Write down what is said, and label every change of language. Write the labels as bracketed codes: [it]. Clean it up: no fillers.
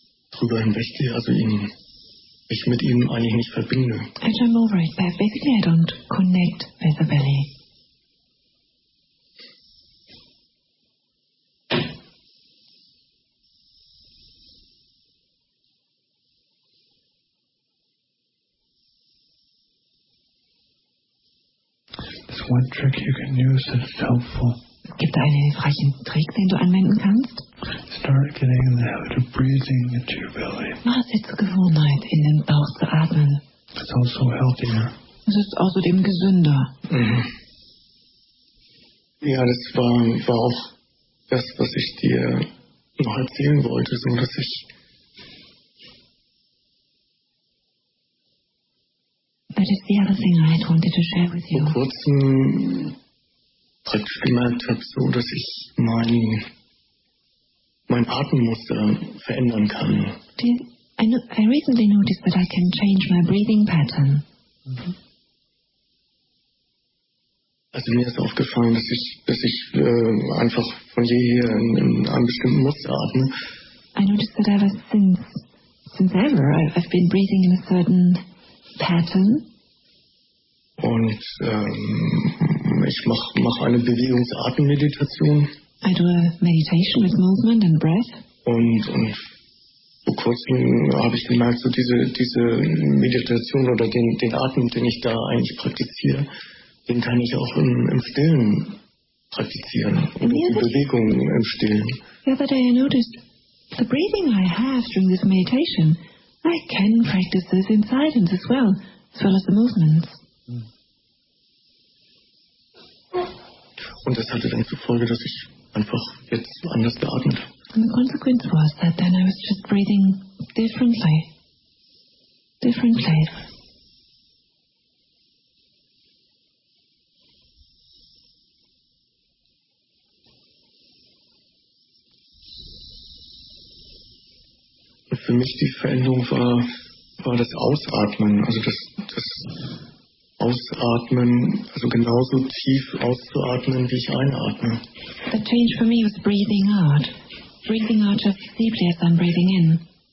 [de] drüber hinweg gehe, also mich mit ihm eigentlich nicht verbinde. [en] And I'm over it, but basically I don't connect with the belly. One trick you can use that's helpful. [de] Gibt einen hilfreichen Trick, den du anwenden kannst? [en] Start getting in the habit of breathing into your belly. [de] Mach es dir zur Gewohnheit, in den Bauch zu atmen. [en] It's also healthier. [de] Es ist außerdem gesünder. Mhm. Ja, das war auch das, was ich dir noch erzählen wollte, so dass ich. [en] That is the other thing I wanted to share with you. [de] Vor kurzem praktisch gemerkt habe, so dass ich mein Atemmuster verändern kann. [en] I recently noticed that I can change my breathing pattern. [de] Also mir ist aufgefallen, dass ich einfach von jeher in einem bestimmten Muster atme. [en] I noticed that ever since ever I've been breathing in a certain pattern. [de] Und ich mach eine Bewegungsatemmeditation. [en] I do a meditation with movement and breath. [de] Und vor kurzem habe ich gemerkt, so diese Meditation oder den Atem, den ich da eigentlich praktiziere, den kann ich auch im Stillen praktizieren. Die Bewegung im Stillen. [en] The other day I noticed the breathing I have during this meditation, I can practice this in silence as well as the movements. [de] Und das hatte dann zur Folge, dass ich einfach jetzt anders geatmet habe. [en] And the consequence was that then I was just breathing differently. Differently. [de] Und für mich die Veränderung war das Ausatmen, also das Ausatmen, also genauso tief auszuatmen, wie ich einatme. [en] The change for me was breathing out. Breathing out just as deeply as I'm breathing in.